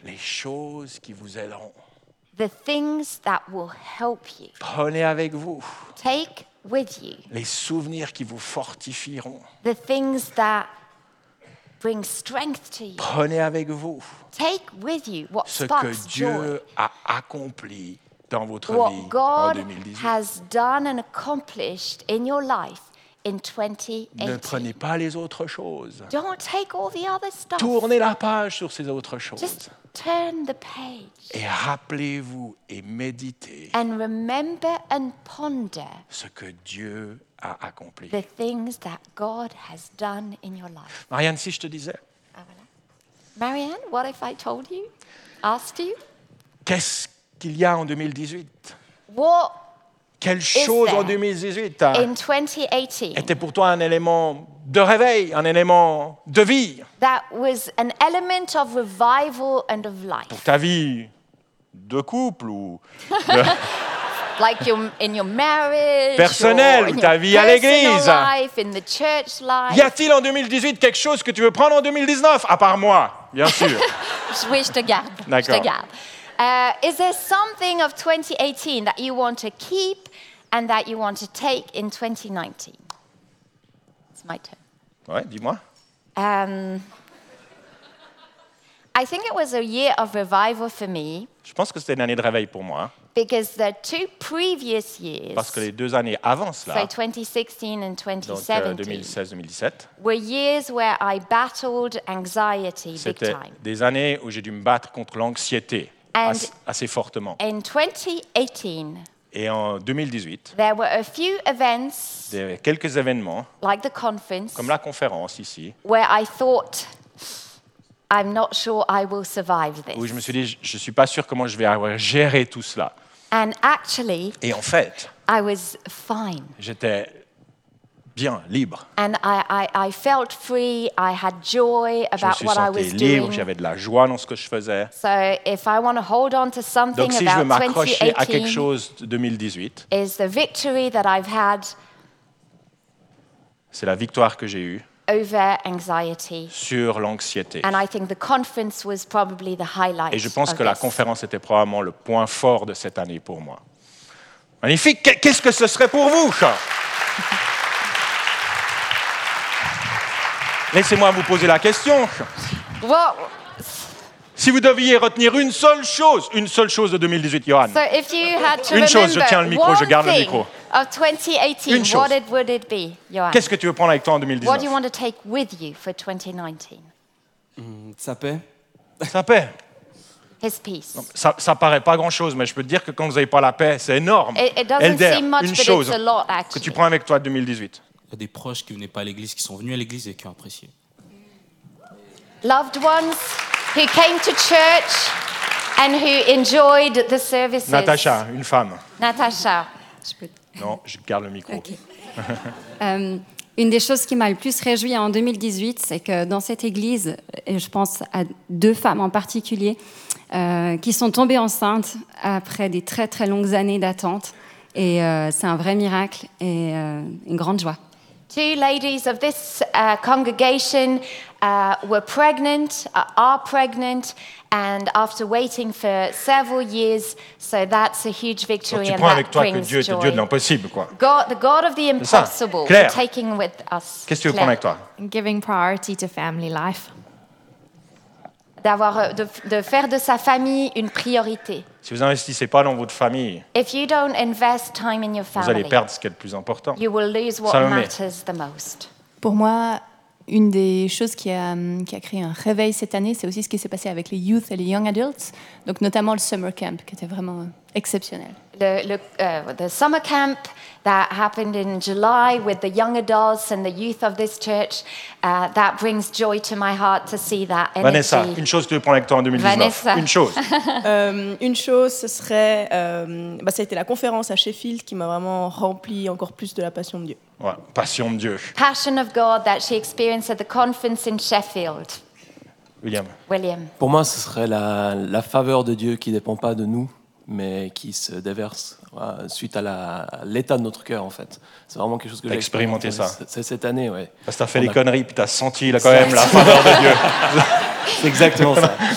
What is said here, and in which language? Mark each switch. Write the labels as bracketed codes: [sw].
[fr] Les choses qui vous aideront. [en] The things that will help you. [fr] Prenez avec vous. [en] Take with you. [fr] Les souvenirs qui vous fortifieront. [en] The things that bring strength to you. [fr] Prenez avec vous. [en] Take with you what [fr] ce [en] sparks [fr] que Dieu [en] joy. [fr] A accompli dans votre [en] what [fr] vie [en] God [fr] en 2018. [en] Has done and accomplished in your life. In 2018. [fr] Ne prenez pas les autres choses. [en] Don't take all the other stuff. [fr] Tournez la page sur ces autres choses. [en] Just turn the page. [fr] Et rappelez-vous et méditez. [en] And remember and ponder. [fr] Ce que Dieu a accompli. [en] The things that God has done in your life. [fr] Marianne, si je te disais. Ah, voilà. [en] Marianne, what if I told you, asked you? [fr] Qu'est-ce qu'il y a en 2018? [en] What [fr] quelle chose en 2018, [en] in 2018 [fr] était pour toi un élément de réveil, un élément de vie? [en] That was an element of revival and of life. [fr] Pour ta vie de couple ou de [en] like your, in your marriage, [fr] personnel, [en] or in [fr] ta vie à l'église. [en] Life, in the church life. [fr] Y a-t-il en 2018 quelque chose que tu veux prendre en 2019, à part moi, bien sûr? Oui, je te garde. D'accord. Je te garde. [en] Is there something of 2018 that you want to keep and that you want to take in 2019? It's my turn. [fr] Ouais, dis-moi. [en] I think it was a year of revival for me. [fr] Je pense que c'était une année de réveil pour moi. [en] Because the two previous years. [fr] Parce que les deux années avant cela. [en] So 2016 and 2017. [fr] Donc 2016-2017. [en] Were years where I battled anxiety big time. [fr] C'était des années où j'ai dû me battre contre l'anxiété. [en] And [fr] assez fortement. [en] In 2018, [fr] et en 2018, [en] there were a few events, [fr] il y avait quelques événements, [en] like the conference, [fr] comme la conférence ici, [en] where I thought, I'm not sure I will survive this. [fr] Où je me suis dit, je ne suis pas sûr comment je vais avoir géré tout cela. [en] And actually, [fr] et en fait, [en] I was fine. [fr] J'étais bien, libre. [en] And I felt free. I had joy about what I was [fr] libre, Je me sentais j'avais de la joie dans ce que je faisais. [en] So if I want to hold on to something [fr] donc, [en] about [fr] si je veux m'accrocher [en] 2018, [fr] à quelque chose de 2018, [en] is the victory that I've had. [fr] C'est la victoire que j'ai eue. [en] Over anxiety. [fr] Sur l'anxiété. [en] And I think the conference was probably the highlight. [fr] Et je pense que [en] this. [fr] La conférence était probablement le point fort de cette année pour moi. Magnifique. Qu'est-ce que ce serait pour vous? Laissez-moi vous poser la question. [en] What? [fr] Si vous deviez retenir une seule chose de 2018, Johan. [en] So if you had to [fr] une chose, je tiens le micro, je garde le micro. [en] Of 2018, [fr] une chose. [en] What would it be, Johan? [fr] Qu'est-ce que tu veux prendre avec toi en 2019? [en] What do you want to take with you for 2019? [fr] Sa paix. Sa paix. [en] His peace. [fr] Donc, ça paraît pas grand-chose, mais je peux te dire que quand vous n'avez pas la paix, c'est énorme. [en] It doesn't seem much, [fr] une [en] but [fr] chose [en] it's a lot, actually. [fr] Que tu prends avec toi en 2018. Il y a des proches qui venaient pas à l'église, qui sont venus à l'église et qui ont apprécié. [en] Loved ones who came to church and who enjoyed the services. [fr] Natacha, une femme. Natacha. Non, je garde le micro. [en] Okay. [fr] Une des choses qui m'a le plus réjouie en 2018, c'est que dans cette église, et je pense à deux femmes en particulier, qui sont tombées enceintes après des très très longues années d'attente, et c'est un vrai miracle et une grande joie. [en] Two ladies of this congregation were pregnant, are pregnant, and after waiting for several years, so that's a huge victory. [fr] Donc, [en] and that brings joy. [fr] Tu prends avec toi que Dieu est le Dieu de l'impossible, quoi. [en] God, the God of the impossible, [fr] Claire. [en] Taking with us. [fr] Qu'est-ce que tu prends avec toi? [en] Giving priority to family life. [fr] D'avoir, de faire de sa famille une priorité. Si vous n'investissez pas dans votre famille, [en] if you don't invest time in your family, [fr] vous allez perdre ce qui est le plus important. [en] You will lose what matters the most. [fr] Pour moi, une des choses qui a créé un réveil cette année, c'est aussi ce qui s'est passé avec les [en] youth [fr] et les [en] young adults, [fr] donc notamment le [en] summer camp, [fr] qui était vraiment exceptionnel. [en] The summer camp that happened in July with the young adults and the youth of this church, that brings joy to my heart to see that energy. [fr] Vanessa, une chose que tu veux prendre avec toi en 2019. Vanessa. Une chose. une chose, ce serait, ça a été la conférence à Sheffield qui m'a vraiment rempli encore plus de la passion de Dieu. Ouais, passion de Dieu. [en] Passion of God that she experienced at the conference in Sheffield. [fr] William. Pour moi, ce serait la faveur de Dieu qui ne dépend pas de nous, mais qui se déverse suite à l'état de notre cœur, en fait. C'est vraiment quelque chose que t'as j'ai expérimenté ça. C'est cette année, ouais. Parce que t'as fait les conneries, puis t'as senti là, quand même la faveur de Dieu. C'est exactement ça.